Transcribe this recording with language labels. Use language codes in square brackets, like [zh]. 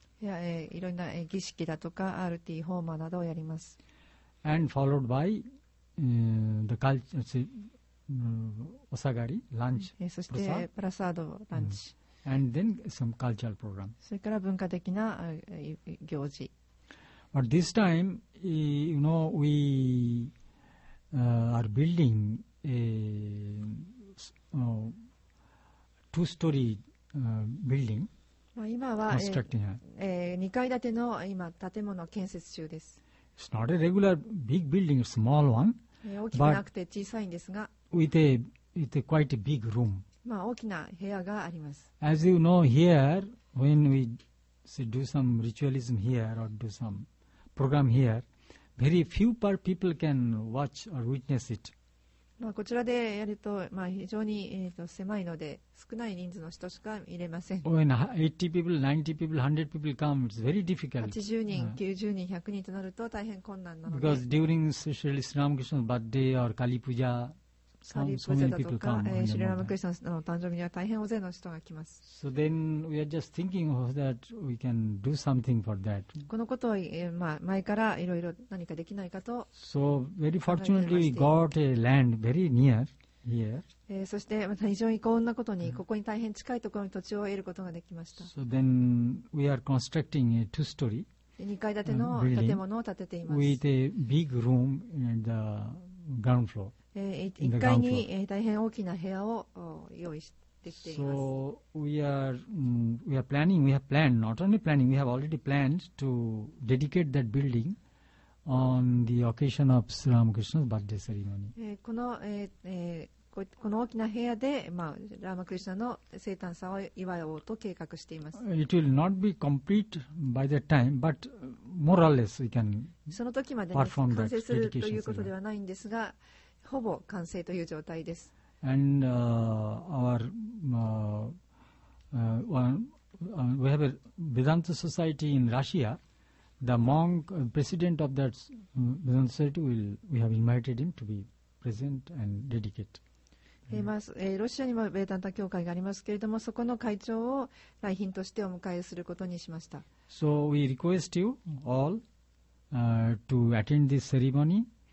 [ja] いろんな儀式だとかアルティ、ホーマーなどをやります。 [en] And followed by the culture, [ja] おさがり、ランチ、そしてプラサード、ランチ。 [en] And then some cultural program. [ja] それから文化的な行事。 [en] But this time, you know, we are building a two-story building. [ja] 今は 2 階建ての今建物を建設中です。 [en] It's not a regular big building, a small one. [ja] 大きくなくて小さいんですが、 [en] with a quite a big room. [ja] 大きな部屋があります。 [en] As you know here, when we say, do some ritualism here or do some program here, very few people can watch or witness it. [ja] こちらでやると非常に狭いので少ない人数の人しか入れません。 [en] When 80 people, 90 people, 100 people come, it's very difficult. [ja] 80人、90人、100人となると大変困難なので、 [en] Because during especially Sri Ramakrishna's birthday or Kali Puja, so many people come. [ja] Sri Ramakrishna の誕生日には大変大勢の人が来ます。 [en] So then we are just thinking of that we can do something for that. [ja] このことを前からいろいろ何かできないかと。 [en] So very fortunately we got a land very near here. [ja] そして非常に幸運なことにここに大変近いところに土地を得ることができました。 [en] So then we are constructing a two-story [ja] building. 2階建ての建物を建てています。 [en] With a big room in the ground floor. [ja] 1階に大変大きな部屋を用意してきています。 [en] So we have planned, not only planning, we have already planned to dedicate that building on the occasion of Sri Ramakrishna's birthday ceremony. [ja] この大きな部屋で、ラーマクリシナの生誕祭を祝おうと計画しています。 [en] It will not be complete by that time, but more or less we can [ja] その時まで完成するということではないんですが、ほぼ完成という状態です。 [en] And we have a Vedanta Society in Russia. The monk, president of that Vedanta Society, we have invited him to be present and dedicate. [ja] ロシアにもベダンタ教会がありますけれども、そこの会長を来賓としてお迎えすることにしました。 [en] So we request you all to attend this ceremony.